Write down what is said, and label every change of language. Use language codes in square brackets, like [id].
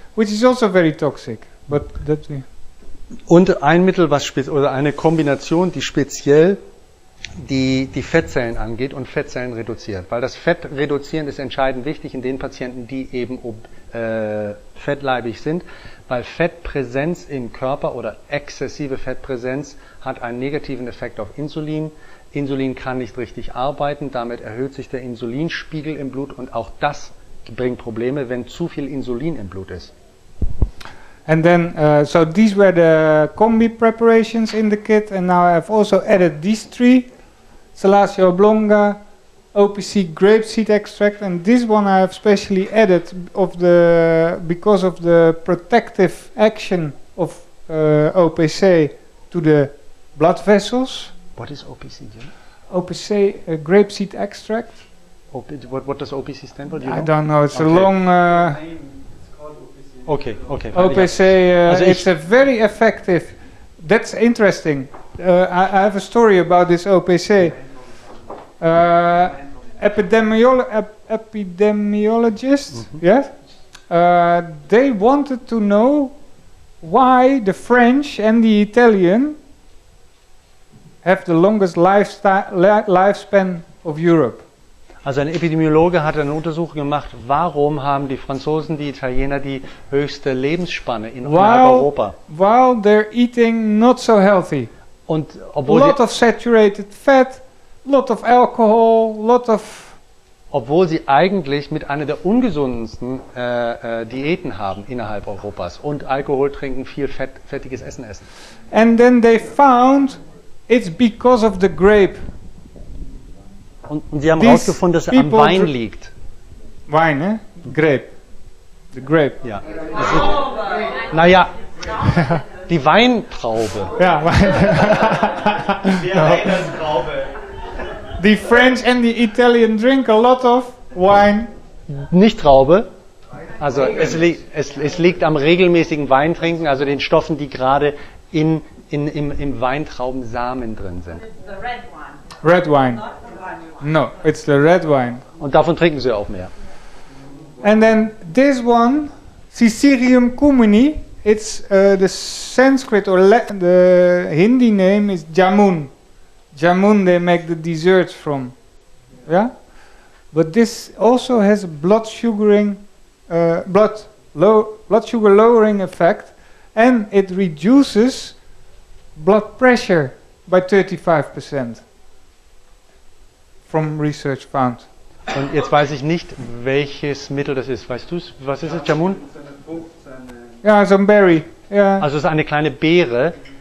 [en] which is also very toxic, but that we. [de] Und ein Mittel, was oder eine Kombination, die speziell die Fettzellen angeht und Fettzellen reduziert, weil das Fett reduzieren ist entscheidend wichtig in den Patienten, die eben fettleibig sind, weil Fettpräsenz im Körper oder exzessive Fettpräsenz hat einen negativen Effekt auf Insulin. Insulin kann nicht richtig arbeiten, damit erhöht sich der Insulinspiegel im Blut und auch das bringt Probleme, wenn zu viel Insulin im Blut ist. [en] And then, so these were the combi preparations in the kit, and now I've also added these three: Salacia oblonga, OPC grapeseed extract, and this one I have specially added because of the protective action of OPC to the blood vessels. What is OPC? OPC grapeseed extract. What does OPC stand for? I don't know. It's okay. A long. Okay. OPC, it's a very effective. That's interesting. I have a story about this OPC. Epidemiologists, mm-hmm. Yes? They wanted to know why the French and the Italian have the longest lifespan of Europe. [de] Also ein Epidemiologe hat eine Untersuchung gemacht, warum haben die Franzosen, die Italiener die höchste Lebensspanne in Europa? [en] While they're eating not so healthy. [de] Und [en] lot of saturated fat, lot of alcohol, lot of... [de] Obwohl sie eigentlich mit einer der ungesundesten Diäten haben innerhalb Europas und Alkohol trinken, viel fettiges Essen essen. [en] And then they found it's because of the grape. [de] Und sie haben herausgefunden, dass es am Wein liegt. Wein, ne? [en] Grape. The grape. [de] Ja. Naja, die Weintraube. Ja, Wein. Die Weintraube. [en] The French and the Italian drink a lot of wine. [de] Nicht Traube. Also es liegt am regelmäßigen Weintrinken, also den Stoffen, die gerade im Weintraubensamen drin sind. [en] Red wine. No, it's the red wine. [de] Und davon trinken sie auch mehr. [en] And then this one, Sicerium cumini, it's the Sanskrit or the Hindi name is jamun. Jamun they make the desserts from. Yeah? But this also has a blood sugar lowering effect and it reduces blood pressure by 35%. From research found. [de] Und jetzt weiß ich nicht, welches Mittel das ist. Weißt du, was ist es? Jamun? Ja, so ein Berry. Yeah. Also es ist eine kleine Beere.